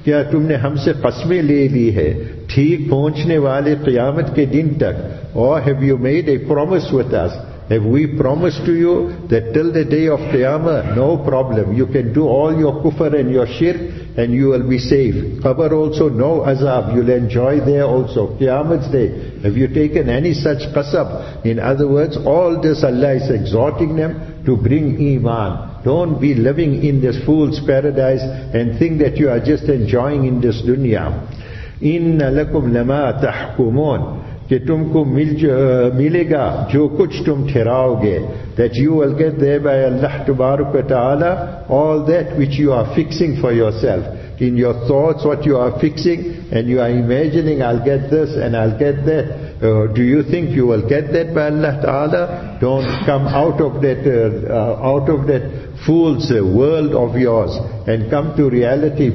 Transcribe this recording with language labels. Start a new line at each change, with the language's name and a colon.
Urdu: کیا تم نے ہم سے قسمیں لے لی ہے ٹھیک پہنچنے والے قیامت کے دن تک؟
English: Or have you made a promise with us? Have we promised to you that till the day of Qiyamah, no problem. You can do all your kufr and your shirk and you will be safe. Qabr also, no azab. You'll enjoy there also. Qiyamah's day. Have you taken any such qasab? In other words, all this Allah is exhorting them to bring iman. Don't be living in this fool's paradise and think that you are just enjoying in this dunya.
Arabic: Inna lakum lama tahkumun.
Urdu: کہ تم کو ملے گا جو کچھ تم ٹھہراؤ گے.
English: That you will get there by Allah تبارک و تعالی, all that which you are fixing for yourself in your thoughts, what you are fixing and you are imagining, I'll get this and I'll get that. Do you think you will get that by Allah تعالی? Don't come out of that fool's world of yours and come to reality.